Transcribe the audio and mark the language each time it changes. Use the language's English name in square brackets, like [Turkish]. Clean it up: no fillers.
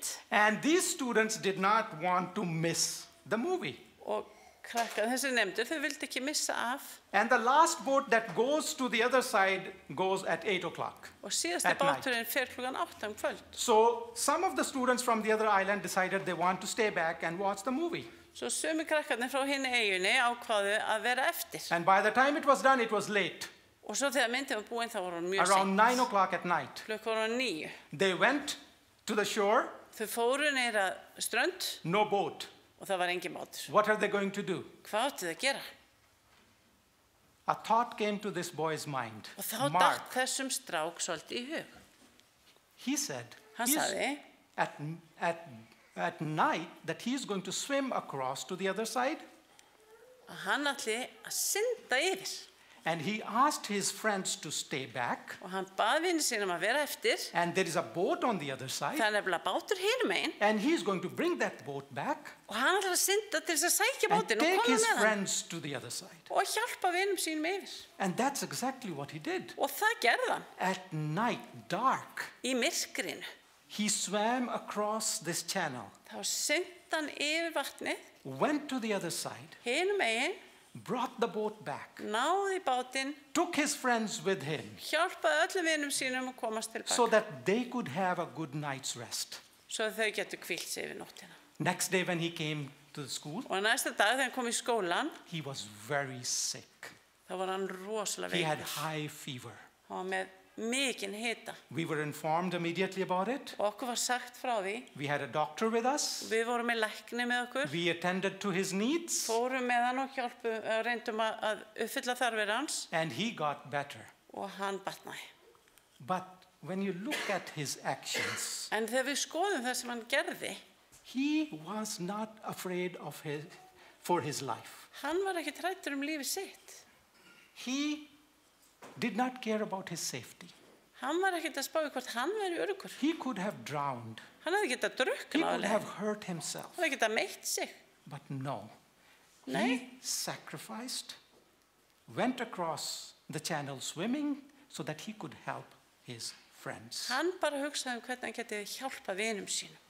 [English] And these students did not want to miss the movie. [Icelandic] Krakkar, þessi nefndur, þau vildi ekki missa af. [English] And the last boat that goes to the other side goes at 8 o'clock. [Icelandic] Og síðasta báturinn fer klukkan 8 kvöld. [English] So some of the students from the other island decided they want to stay back and watch the movie. [Icelandic] Svo sumir krakkarnir frá hinni eyjunni ákváðu að vera eftir. [English] And by the time it was done, it was late. [Icelandic] Og svo þegar myndin var búin, þá var hún mjög seint. [English] Around 9 o'clock at night. [Icelandic] Klukkan var 9. [English] They went to the shore. [Icelandic] Þau fóru niður að strönd. [English] No boat. [Icelandic] Og það var engin bátur. [English] What are they going to do? [Icelandic] Hvað áttu þau að gera? [English] A thought came to this boy's mind. [Icelandic] Og þá datt þessum strák svolítið í hug. [English] He said, [Icelandic] Hann sagði, [English] at night that he is going to swim across to the other side. [Icelandic] Og hann ætli að synda yfir. [English] And he asked his friends to stay back. [Icelandic] Og hann bað vini sínum að vera eftir. [English] And there is a boat on the other side. [Icelandic] Það nefnilega bátur hinum megin. [English] And he is going to bring that boat back. [Icelandic] Og hann ætlar að synda til þess að sækja bátinn og koma með hann. [English] And take his friends to the other side. [Icelandic] Og hjálpa vinum sínum yfir. [English] And that's exactly what he did. [Icelandic] Og það gerði hann. [English] At night, dark. [Icelandic] Í myrkrinu. [English] He swam across this channel. [Icelandic] Þá synda hann yfir vatnið. [English] Went to the other side. [Icelandic] Hinum megin. [English] Brought the boat back. [Icelandic] Náði bátinn. [English] Took his friends with him. [Icelandic] Hjálpaði öllum vinum sínum að komast til baka. [English] So that they could have a good night's rest. [Icelandic] Svo þau gætu hvílt sig yfir nóttina. [English] Next day when he came to the school. [Icelandic] Og næsta dag þegar hann kom í skólan. [English] He was very sick. [Icelandic] Þá var hann rosalega veikur. [English] He had high fever. [Icelandic] Og með mikinn hita. [English] We were informed immediately about it. [Icelandic] Og okkur var sagt frá því. [English] We had a doctor with us. [Icelandic] Við vorum með lækni með okkur. [English] We attended to his needs. [Icelandic] Fórum með hann og hjálpum reyndum að uppfylla þarfir hans. [English] And he got better. [Icelandic] Og hann batnaði. [English] But when you look at his actions. [Icelandic] En þegar við skoðum það sem hann gerði. [English] He was not afraid of his for his life. [Icelandic] Hann var ekki hræddur lífi sitt. [English] He did not care about his safety. [Icelandic] Hann var ekkert að spá í hvort hann væri öruggur. [English] He could have drowned. [Icelandic] Hann hefði getað drukknað. [English] He could have hurt himself. [Icelandic] Hann hefði getað meitt sig. [English] But no. [Icelandic] Nei. [English] He sacrificed, went across the channel swimming so that he could help his friends. [Icelandic] Hann bara hugsaði um hvernig hann geti hjálpað vinum sínum.